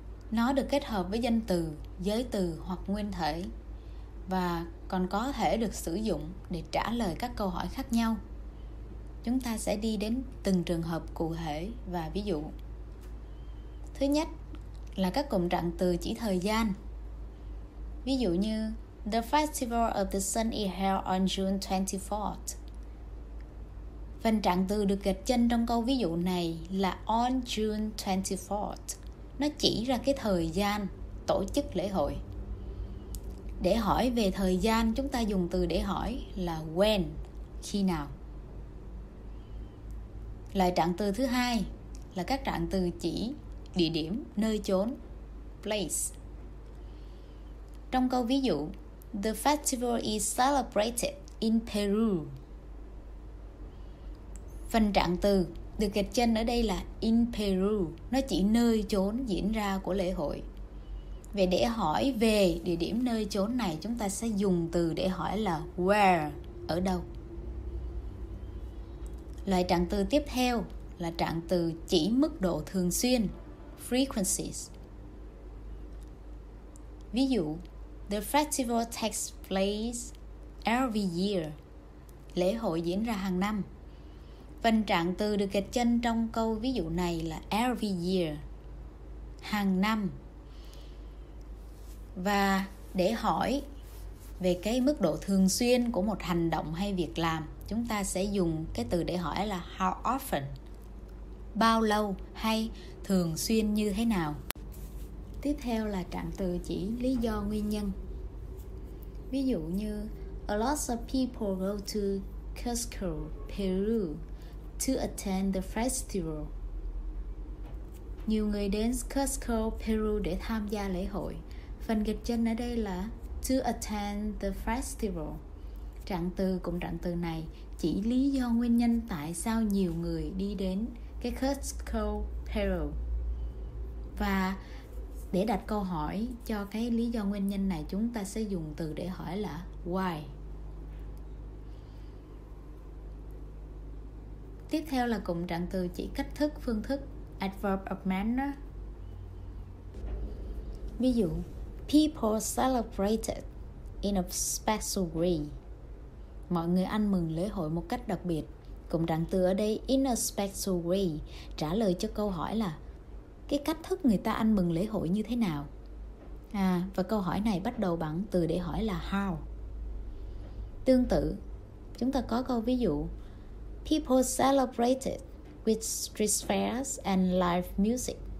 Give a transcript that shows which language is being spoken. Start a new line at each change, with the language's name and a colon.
Vietnamese: Nó được kết hợp với danh từ, giới từ hoặc nguyên thể và còn có thể được sử dụng để trả lời các câu hỏi khác nhau. Chúng ta sẽ đi đến từng trường hợp cụ thể và ví dụ. Thứ nhất là các cụm trạng từ chỉ thời gian. Ví dụ như
English: The Festival of the Sun is held on June 24th.
Vietnamese: Phần trạng từ được gạch chân trong câu ví dụ này là
English: on June 24th.
Vietnamese: Nó chỉ ra cái thời gian tổ chức lễ hội. Để hỏi về thời gian, chúng ta dùng từ để hỏi là when, khi nào. Loại trạng từ thứ hai là các trạng từ chỉ địa điểm, nơi chốn, place. Trong câu ví dụ,
English: The festival is celebrated in Peru.
Vietnamese: Phần trạng từ được gạch chân ở đây là
English: in Peru.
Vietnamese: Nó chỉ nơi chốn diễn ra của lễ hội. Vậy để hỏi về địa điểm nơi chốn này, chúng ta sẽ dùng từ để hỏi là where, ở đâu. Loại trạng từ tiếp theo là trạng từ chỉ mức độ thường xuyên, frequencies. Ví dụ,
English: The festival takes place every year.
Vietnamese: Lễ hội diễn ra hàng năm. Phần trạng từ được gạch chân trong câu ví dụ này là
English: every year,
Vietnamese: hàng năm. Và để hỏi về cái mức độ thường xuyên của một hành động hay việc làm, chúng ta sẽ dùng cái từ để hỏi là how often, bao lâu hay thường xuyên như thế nào. Tiếp theo là trạng từ chỉ lý do, nguyên nhân. Ví dụ như
English: a lot of people go to Cusco, Peru to attend the festival.
Vietnamese: Nhiều người đến Cusco, Peru để tham gia lễ hội. Phần gạch chân ở đây là
English: to attend the festival.
Vietnamese: Trạng từ cụm trạng từ này chỉ lý do, nguyên nhân tại sao nhiều người đi đến cái Cusco, Peru. Và để đặt câu hỏi cho cái lý do, nguyên nhân này, chúng ta sẽ dùng từ để hỏi là why. Tiếp theo là cụm trạng từ chỉ cách thức, phương thức, adverb of manner. Ví dụ,
English: people celebrated in a special way.
Vietnamese: Mọi người ăn mừng lễ hội một cách đặc biệt. Cụm trạng từ ở đây
English: in a special way
Vietnamese: trả lời cho câu hỏi là cái cách thức người ta ăn mừng lễ hội như thế nào. Và câu hỏi này bắt đầu bằng từ để hỏi là how. Tương tự, chúng ta có câu ví dụ
English: people celebrated with street fairs and live music.